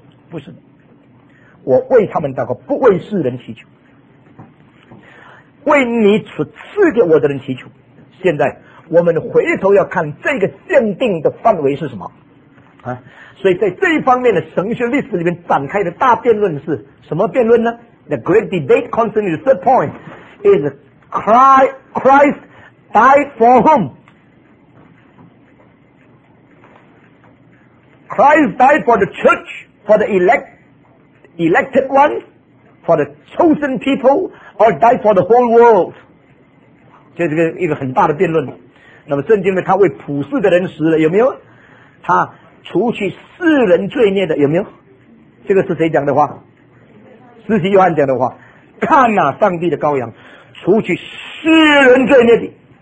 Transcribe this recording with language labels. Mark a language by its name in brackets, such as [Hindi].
[Chinese] 不是，我为他们祷告，不为世人祈求，为你所赐给我的人祈求。现在我们回头要看这个限定的范围是什么啊？所以在这一方面的神学历史里面展开的大辩论是什么辩论呢？ [English] The great debate concerning the third point is Christ died for whom? Christ died for the church, for the elected ones, for the chosen people, or died for the whole world? [Chinese] 这是一个很大的辩论。那么圣经呢，他为普世的人死了，有没有？他除去世人罪孽的，有没有？这个是谁讲的话？施洗约翰讲的话。看啊，上帝的羔羊，除去世人罪孽的。